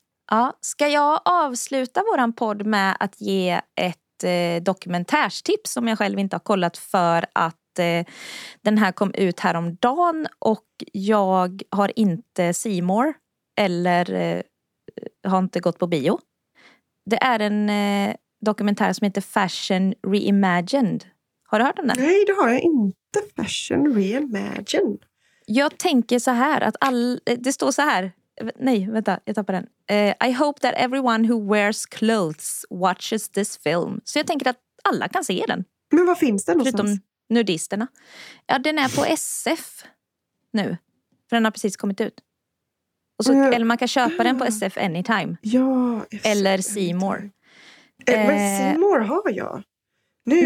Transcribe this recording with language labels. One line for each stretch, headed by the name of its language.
Swedish: Ja, ska jag avsluta våran podd med att ge ett dokumentärstips som jag själv inte har kollat för att den här kom ut häromdagen och jag har inte C-more eller har inte gått på bio. Det är en dokumentär som heter Fashion Reimagined. Har du hört om den? Nej, det har jag inte. Fashion Reimagined. Jag tänker så här att det står så här. Nej, vänta, jag tappar den.
English: I hope that everyone who wears clothes watches this film.
Swedish: Så jag tänker att alla kan se den. Men var finns den någonstans? Förutom nudisterna. Ja, den är på SF nu. För den har precis kommit ut. Och så, ja. Eller man kan köpa den på SF Anytime. Ja. Eller C-more. Men C-more har jag. Nu.